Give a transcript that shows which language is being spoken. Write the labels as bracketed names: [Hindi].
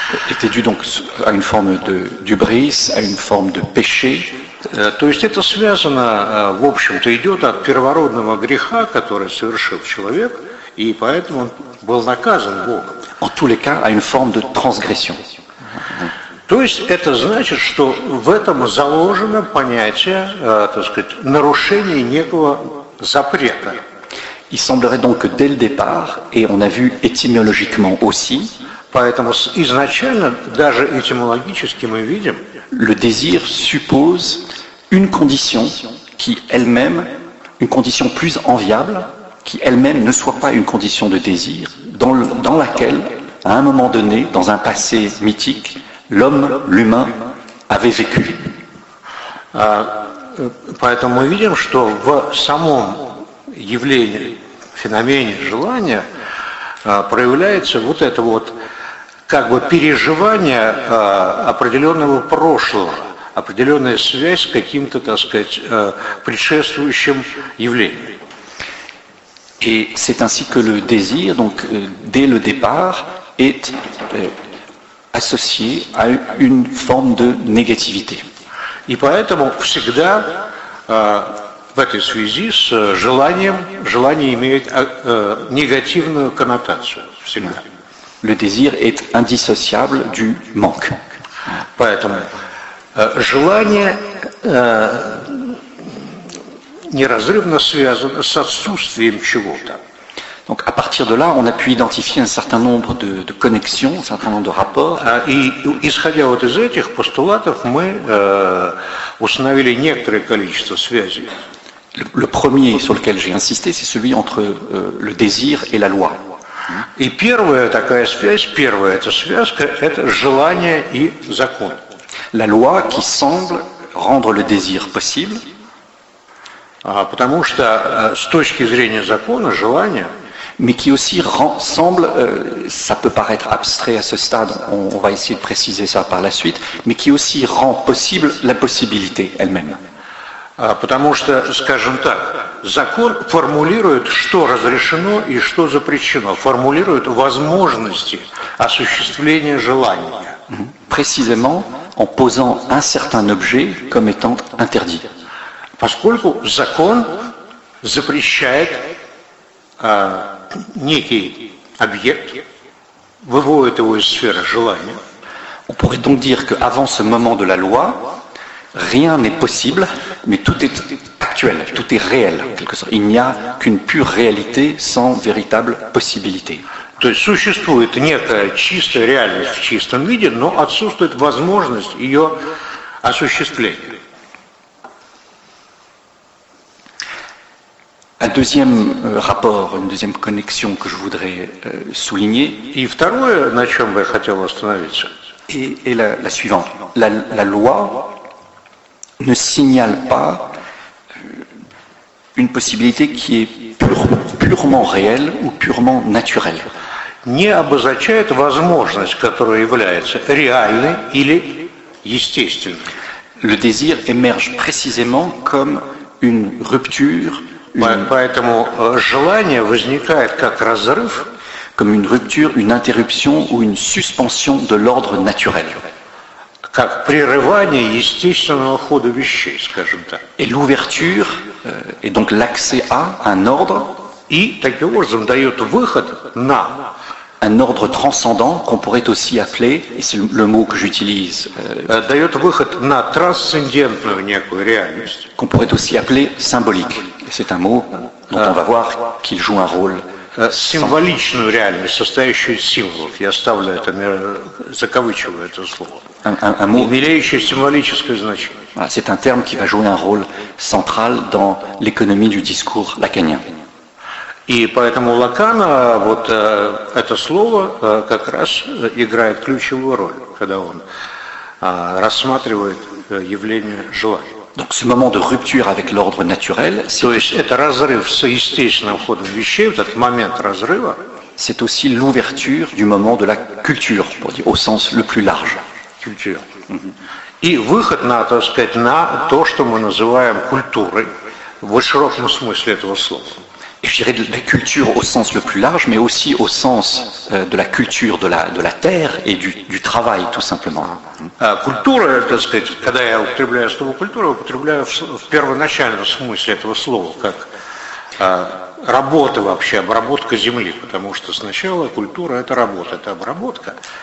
[French] Était dû donc à une forme de hubris, à une forme de péché. [Russian] То есть это связано, в общем-то, идет от первородного греха, который совершил человек, и поэтому он был наказан Богом. [French] En tous les cas, à une forme de transgression. [Russian] То есть это значит, что в этом заложено понятие, так сказать, нарушения некого запрета. [French] Il semblerait donc que dès le départ, et on a vu étymologiquement aussi, [Russian] поэтому изначально, даже этимологически мы видим, [French] le désir suppose une condition qui elle-même, une condition plus enviable, qui elle-même ne soit pas une condition de désir, dans laquelle, à un moment donné, dans un passé mythique, l'homme, l'humain, avait vécu. [Russian] Поэтому мы видим, что в самом явление, феномене желания проявляется вот это вот как бы переживание определенного прошлого, определенная связь с каким-то, так сказать, предшествующим явлением. [French] Et c'est ainsi que le désir, donc dès le départ, est associé à une forme de négativité. [Russian] И поэтому всегда в этой связи с желанием, желание имеет негативную коннотацию всегда. [French] Le désir est indissociable du manque. [Russian] Поэтому желание неразрывно связано с отсутствием чего-то. [French] Donc à partir de là, on a pu identifier un certain nombre de connexions, un certain nombre de rapports. [Russian] И исходя вот из этих постулатов, мы установили некоторое количество связей. [French] Le premier sur lequel j'ai insisté, c'est celui entre le désir et la loi. [Russian] И первая такая связь, первая эта связка, это желание и закон. [French] La loi qui semble rendre le désir possible. [Russian] Потому что с точки зрения закона желание, [French] mais qui aussi semble, ça peut paraître abstrait à ce stade, on va essayer de préciser ça par la suite, mais qui aussi rend possible la possibilité elle-même. [Russian] Потому что, скажем так, закон формулирует, что разрешено и что запрещено, формулирует возможности осуществления желания. [French] Précisément en posant un certain objet comme étant interdit. [Russian] Поскольку закон запрещает некий объект, выводит его из сферы желания. [French] On pourrait donc dire qu'avant ce moment de la loi, rien n'est possible, mais tout est actuel, tout est réel, en quelque sorte. Il n'y a qu'une pure réalité sans véritable possibilité. [Russian] То есть существует некая чистая реальность в чистом виде, но отсутствует возможность ее осуществления. [French] Un deuxième rapport, une deuxième connexion que je voudrais souligner. [Russian] И второе, на чем бы я хотел остановиться. [French] Et la suivante. La loi ne signale pas une possibilité qui est purement réelle ou purement naturelle. [Russian] Не обозначает возможность, которая является реальной или естественной. [French] Le désir émerge précisément comme une rupture. [Russian] Поэтому желание возникает как разрыв, [French] comme une rupture, une interruption ou une suspension de l'ordre naturel. [Russian] Как прерывание естественного хода вещей, скажем так. [French] Et l'ouverture, et donc l'accès à un ordre. [Russian] И таким образом дает выход на [French] un ordre transcendant qu'on pourrait aussi appeler, et c'est le mot que j'utilise, [Russian] дает выход на трансцендентную некую реальность, [French] qu'on pourrait aussi appeler symbolique. C'est un mot dont on va voir qu'il joue un rôle. [Russian] Символичную реальность, состоящую из символов. Я ставлю это, закавычиваю это слово. [French] Un mot, [Russian] имеющий символическое значение. [French] Voilà, c'est un terme qui va jouer un rôle central dans l'économie du discours lacanien. [Russian] И поэтому Лакана, вот это слово как раз играет ключевую роль, когда он рассматривает явление желания. [French] Donc ce moment de rupture avec l'ordre naturel, c'est aussi l'ouverture du moment de la culture, pour dire, au sens le plus large. Culture. [Russian] И выход на, так сказать, на то, что мы называем культурой, в широком смысле этого слова. [French] Et je dirais de la culture au sens le plus large, mais aussi au sens de la culture de la terre et du travail, tout simplement. [Russian] Культура, так сказать, когда я употребляю слово культура, я употребляю в первоначальном смысле этого слова, как работа вообще, обработка земли, потому что сначала культура – это работа, это обработка.